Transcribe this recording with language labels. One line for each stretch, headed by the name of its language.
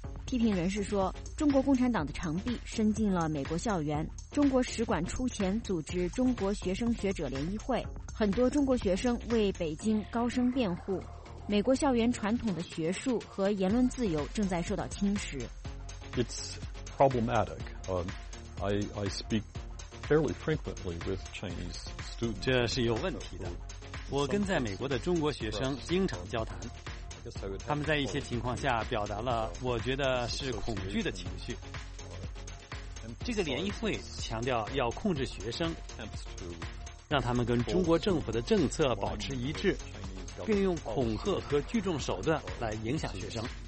Chinese: 批评人士说，中国共产党的长臂伸进了美国校园，中国使馆出钱组织中国学生学者联谊会，很多中国学生为北京高声辩护，美国校园传统的学术和言论自由正在受到侵蚀。
English: It's problematic. I speak fairly frequently with Chinese students.
Chinese: 这是有问题的，我跟在美国的中国学生经常交谈，他们在一些情况下表达了我觉得是恐惧的情绪。这个联谊会强调要控制学生，让他们跟中国政府的政策保持一致，并用恐吓和聚众手段来影响学生。